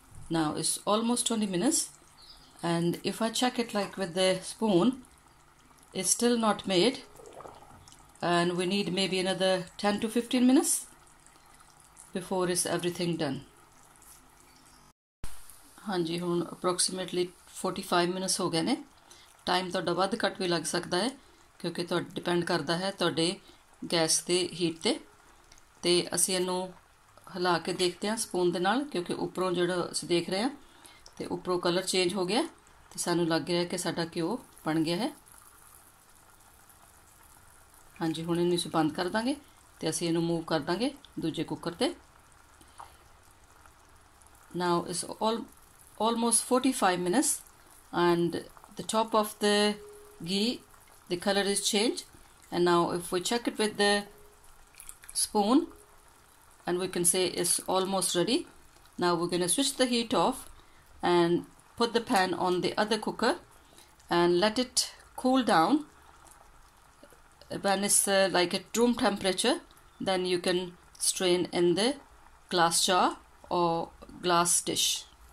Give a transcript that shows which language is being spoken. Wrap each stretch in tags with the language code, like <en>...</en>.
<en>Now it's almost 20 minutes and if I check it like with the spoon, it's still not made and we need maybe another 10 to 15 minutes before is everything done.</en> <pa>Hanji, hun approximately 45 minutes ho gaye ne, time to vadh kat vi lag sakda hai kyunki to depend karda hai tode gas te heat te assi enu ਹਿਲਾ ਕੇ ਦੇਖਦੇ ਹਾਂ spoon ਦੇ ਨਾਲ, ਕਿਉਂਕਿ ਉੱਪਰੋਂ ਜਿਹੜਾ ਅਸੀਂ ਦੇਖ ਰਹੇ ਹਾਂ ਅਤੇ ਉੱਪਰੋਂ ਕਲਰ ਚੇਂਜ ਹੋ ਗਿਆ ਅਤੇ ਸਾਨੂੰ ਲੱਗ ਰਿਹਾ ਕਿ ਸਾਡਾ ਘਿਓ ਬਣ ਗਿਆ ਹੈ। ਹਾਂਜੀ, ਹੁਣ ਇਹਨੂੰ ਅਸੀਂ ਬੰਦ ਕਰ ਦਾਂਗੇ ਅਤੇ ਅਸੀਂ ਇਹਨੂੰ ਮੂਵ ਕਰ ਦਾਂਗੇ ਦੂਜੇ ਕੁੱਕਰ 'ਤੇ। ਨਾਓ ਇਸ almost 45 minutes and the top of the ਘੀ ਦ colour is change and now if we check it with the spoon</pa> <en>and we can say it's almost ready. Now we're going to switch the heat off and put the pan on the other cooker and let it cool down. When it's like at room temperature, then you can strain in the glass jar or glass dish.</en>